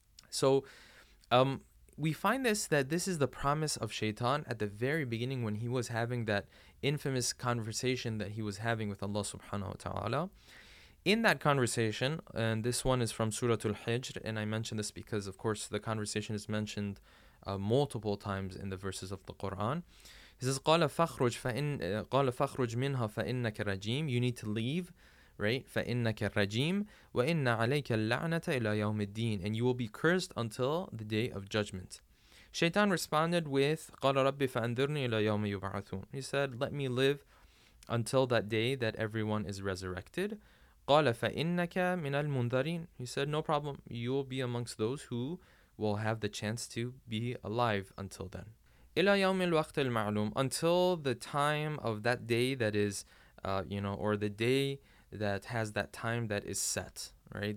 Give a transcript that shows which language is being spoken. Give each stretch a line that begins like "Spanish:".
English: So we find this, that this is the promise of Shaitan at the very beginning when he was having that infamous conversation that he was having with Allah subhanahu wa ta'ala. In that conversation, and this one is from Surah Al-Hijr, and I mention this because, of course, the conversation is mentioned multiple times in the verses of the Quran. He says,
Arabic: قَالَ فَخْرُجْ مِنْهَا فَإِنَّكَ رَجِيمٌ.
English: You need to leave, right?
Arabic: فَإِنَّكَ رَجِيمٌ وَإِنَّ عَلَيْكَ اللَّعْنَةَ إِلَى يَوْمِ الدِّينِ.
English: And you will be cursed until the day of judgment. Shaitan responded with,
Arabic: قَالَ رَبِّ فَأَنذِرْنِي إِلَى يَوْمِ يُبْعَثُونَ.
English: He said, let me live until that day that everyone is resurrected.
Arabic: قَالَ فَإِنَّكَ مِنَ الْمُنذَرِينَ.
English: He said, no problem. You will be amongst those who will have the chance to be alive until then.
Arabic: إِلَى يَوْمِ الْوَقْتِ الْمَعْلُومِ,
English: until the time of that day that is, or the day that has that time that is set, right?